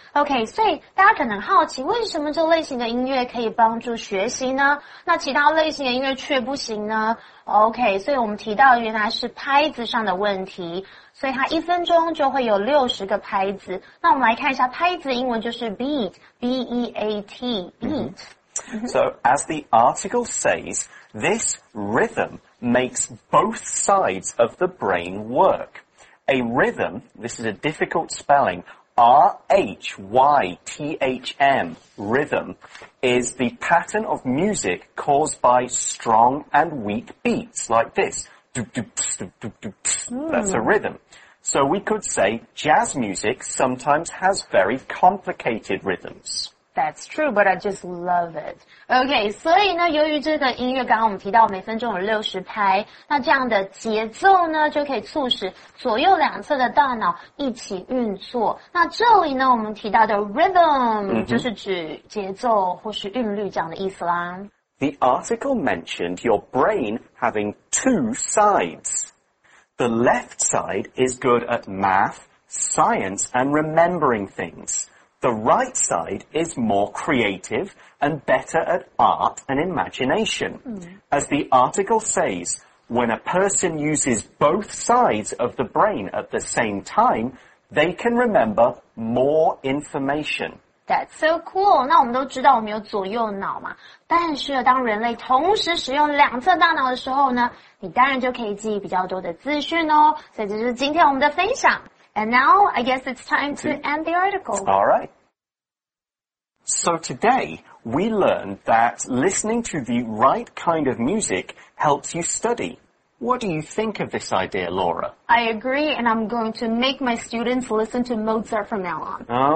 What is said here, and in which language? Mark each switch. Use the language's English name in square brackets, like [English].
[Chinese] Okay, 所以大家可能好奇为什么这类型的音乐可以帮助学习呢？那其他类型的音乐却不行呢？Okay, 所以我们提到原来是拍子上的问题，所以它一分钟就会有60个拍子。那我们来看一下拍子的英文就是 beat, B-E-A-T, beat. Mm-hmm. [English] So as the article says, this rhythm makes both sides of the brain work. A rhythm, this is a difficult spelling, R-H-Y-T-H-M, rhythm, is the pattern of music caused by strong and weak beats like this. That's a rhythm. So we could say jazz music sometimes has very complicated rhythms. That's true, but I just love it. [Chinese] Okay, 所以呢由于这个音乐刚刚我们提到每分钟有60拍那这样的节奏呢就可以促使左右两侧的大脑一起运作。那这里呢我们提到的 rhythm,、 mm-hmm. 就是指节奏或是韵律这样的意思啦。 [English] The article mentioned your brain having two sides. The left side is good at math, science, and remembering things. The right side is more creative and better at art and imagination.、 Mm. As the article says, when a person uses both sides of the brain at the same time, they can remember more information. That's so cool. [Chinese] 那我们都知道我们有左右脑嘛。但是当人类同时使用两侧大脑的时候呢，你当然就可以记忆比较多的资讯哦。所以这是今天我们的分享。 [English] And now, I guess it's time to end the article. All right. So today, we learned that listening to the right kind of music helps you study. What do you think of this idea, Laura? I agree, and I'm going to make my students listen to Mozart from now on.